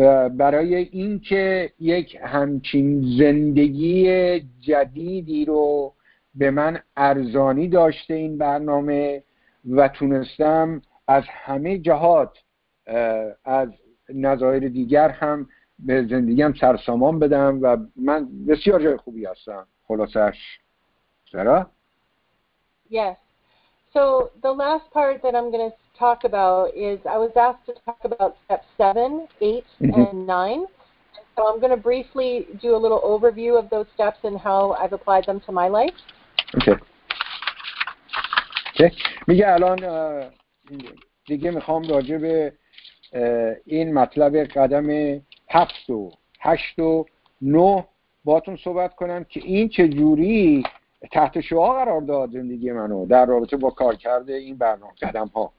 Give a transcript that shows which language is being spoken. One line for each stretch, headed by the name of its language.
Persian: برای این که یک همچین زندگی جدیدی رو به من ارزانی داشته این برنامه و تونستم از همه جهات از نظایر دیگر هم به زندگیم سرسامان بدم و من بسیار جای خوبی هستم. خلاصش چرا؟
English: Yes. So the last part that I'm going to talk about is I was asked to talk about steps 7, 8, and 9. So I'm going to briefly do a little overview of those steps and how I've applied them to my life. Okay.
Persian: میگه الان دیگه میخوام راجع به این مطلب قدم 7 و 8 و 9 باهاتون صحبت کنم که این چه جوری تحت شعاع قرار داد زندگی منو در رابطه با کار کرده این برنامه قدم ها.